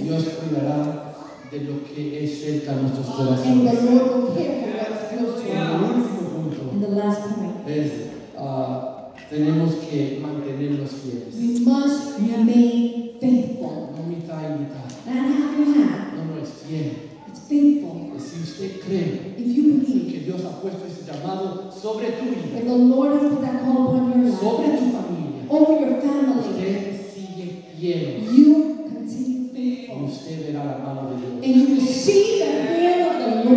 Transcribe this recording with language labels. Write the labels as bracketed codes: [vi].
[es] Y Dios cuidará de lo que es cerca a nuestros corazones. [en] And the Lord will care for what is close to us. And the last point [es] is, tenemos que mantenernos fieles. [en] We must remain faithful. [es] No mitad y mitad. [en] Not half and half. [es] No, no, es fiel. [en] It's faithful. [es] Y si usted cree, [en] if you believe, [es] que Dios ha puesto ese llamado sobre tu vida, [en] that the Lord has put that call upon your life, [es] sobre tu familia, [en] over your family, [es] usted sigue fiel. [en] You continue faithful. [es] Y usted verá la mano de Dios. [en] And you see the hand of the Lord.